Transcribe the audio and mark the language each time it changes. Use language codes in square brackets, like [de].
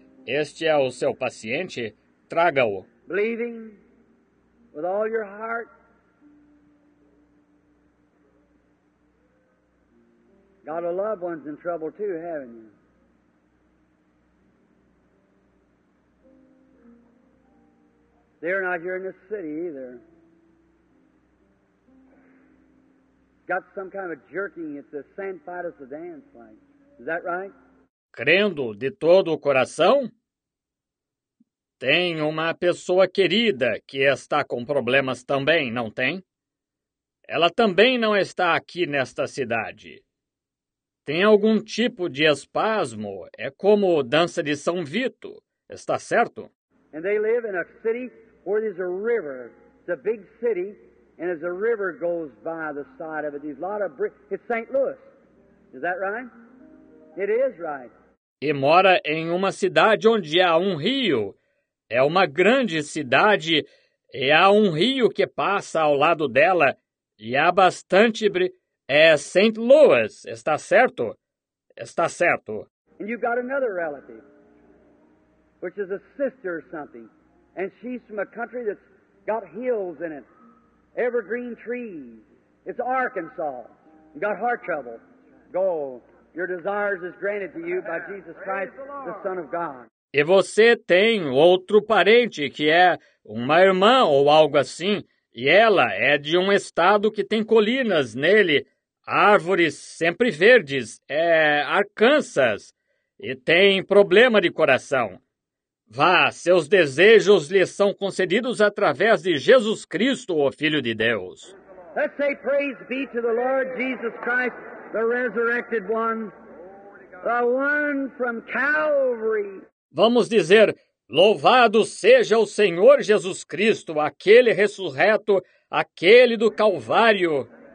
[pt] Este é o seu paciente, traga-o. [en] Believing with all your heart. Got a loved one's in trouble too, haven't you? They're not here in this city either. Got some kind of jerking at the San Fidus of dance like. Is that right? [pt] Crendo de todo o coração? Tem uma pessoa querida que está com problemas também, não tem? Ela também não está aqui nesta cidade. Tem algum tipo de espasmo? É como dança de São Vito, está certo? [en] And they live in a city where there's a river. It's a big city, and as a river goes by the side of it, there's a lot of bridges. It's St. Louis. Is that right? It is right. [pt] E mora em uma cidade onde há um rio. É uma grande cidade e há um rio que passa ao lado dela e há bastante é St. Louis, está certo? Está certo. [en] And you've got another relative, which is a sister or something, and she's from a country that's got hills in it, evergreen trees. It's Arkansas. You got heart trouble. Go. Your desires is granted to you by Jesus Christ, the Son of God. [pt] E você tem outro parente que é uma irmã ou algo assim, e ela é de um estado que tem colinas nele, árvores sempre verdes, é Arkansas, e tem problema de coração. Vá, seus desejos lhe são concedidos através de Jesus Cristo, o Filho de Deus. [en] Let's say praise be to the Lord Jesus Christ, the resurrected one, the one from Calvary. [pt] Vamos dizer, louvado seja o Senhor Jesus Cristo, aquele ressurreto, aquele do Calvário.